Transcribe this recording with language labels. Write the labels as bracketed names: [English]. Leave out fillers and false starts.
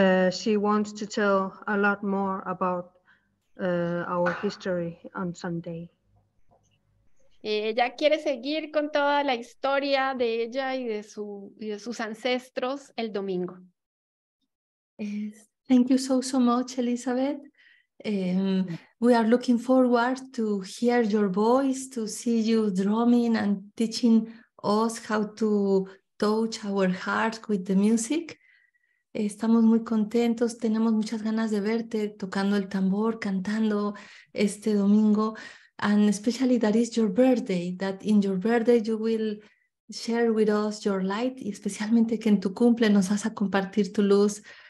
[English] She wants to tell a lot more about our history on Sunday. [Spanish] Ella quiere seguir con toda la historia de ella y de sus ancestros el domingo. [English] Thank you so much, Elizabeth. We are looking forward to hear your voice, to see you drumming and teaching us how to touch our hearts with the music. [Spanish] Estamos muy contentos, tenemos muchas ganas de verte tocando el tambor, cantando este domingo, [English] and especially that is your birthday, that in your birthday you will share with us your light, [Spanish] y especialmente que en tu cumple nos vas a compartir tu luz.